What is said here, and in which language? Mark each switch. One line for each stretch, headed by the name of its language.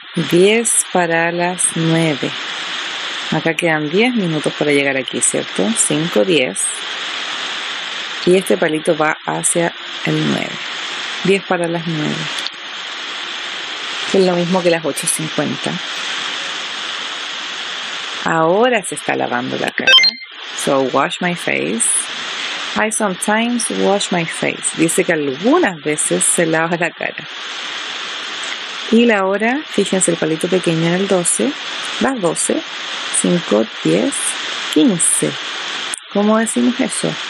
Spanish: Diez para las 9. Acá quedan 10 minutos para llegar aquí, ¿cierto? 5, 10. Y este palito va hacia el 9. 10 para las 9. Que es lo mismo que las 8:50. Ahora se está lavando la cara.
English: So, wash my face. I sometimes wash my face.
Spanish: Dice que algunas veces se lava la cara. Y la hora, fíjense el palito pequeño en el 12, las 12, 5, 10, 15. ¿Cómo decimos eso?